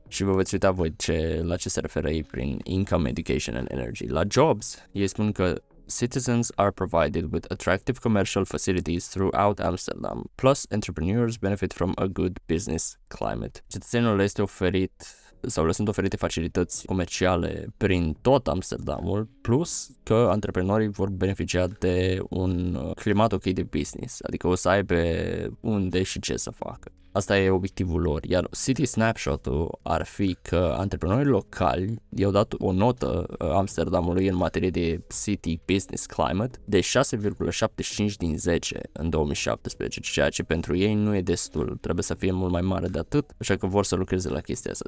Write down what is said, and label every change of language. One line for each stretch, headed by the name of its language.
Romanian: Și vă veți uita voi la ce se referă ei prin
English: income, education and energy.
Romanian: La jobs, ei spun că
English: citizens are provided with attractive commercial facilities throughout Amsterdam, plus entrepreneurs benefit from a good business climate.
Romanian: Cetățenilor le este oferit sau le sunt oferite facilități comerciale prin tot Amsterdamul, plus că antreprenorii vor beneficia de un climat ok de business, adică o să aibă unde și ce să facă. Asta e obiectivul lor, iar City Snapshot-ul ar fi că antreprenorii locali i-au dat o notă Amsterdamului în materie de City Business Climate de 6,75 din 10 în 2017, ceea ce pentru ei nu e destul, trebuie să fie mult mai mare de atât, așa că vor să lucreze la chestia asta.